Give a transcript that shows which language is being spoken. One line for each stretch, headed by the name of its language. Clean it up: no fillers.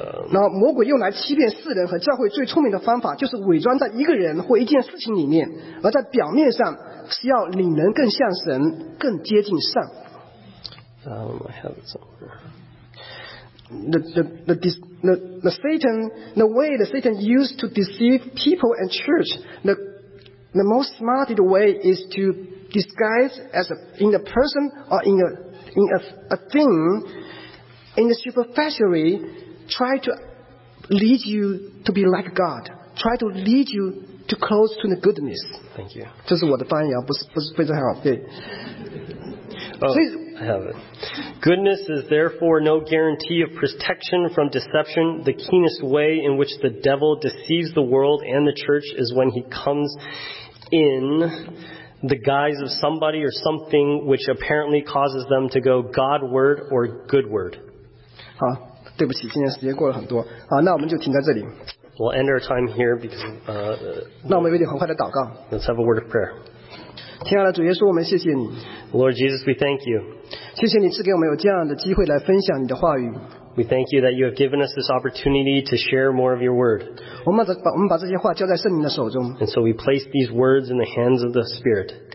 Chinese: 那魔鬼用来欺骗世人和教会最聪明的方法，就是伪装在一个人或一件事情里面，而在表面上是要令人更像神，更接近善。
English: I have it somewhere. The way that Satan used to deceive people and church, the most smarted way is to disguise as in a person or in a thing. In the superficial, try to lead you to be like God. Try to lead you to close to the goodness. Thank you.
Chinese: 这是我的翻译啊，不是非常好。对。
English: Oh, I have it. Goodness is therefore no guarantee of protection from deception. The keenest way in which the devil deceives the world and the church is when he comes in. The guise of somebody or something which apparently causes them to go Godward or Goodward.
Chinese: 好，对不起，今天时间过了很多。好，那我们就停在这里。
English: We'll end our time here because.
Chinese: 那我们有点很快的祷告。
English: Let's have a word of prayer.
Chinese: 亲爱的主耶稣，我们谢谢你。
English: Lord Jesus, we thank you.
Chinese: 谢谢你赐给我们有这样的机会来分享你的话语。
English: We thank you that you have given us this opportunity to share more of your word. And so we place these words in the hands of the Spirit.